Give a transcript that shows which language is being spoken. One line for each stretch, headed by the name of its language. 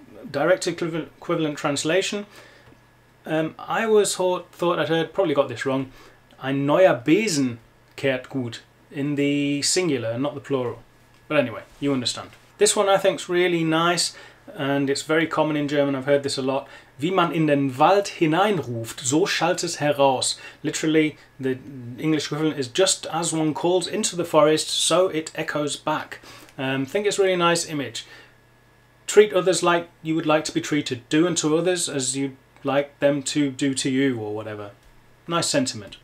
English: Direct equivalent translation. I was thought I'd heard, probably got this wrong,
German: ein neuer Besen kehrt gut,
English: in the singular, not the plural. But anyway, you understand. This one I think's really nice, and it's very common in German. I've heard this a lot.
German: Wie man in den Wald hineinruft, so schallt es heraus.
English: Literally, the English equivalent is just as one calls into the forest, so it echoes back. I think it's a really nice image. Treat others like you would like to be treated. Do unto others as you'd like them to do to you, or whatever. Nice sentiment.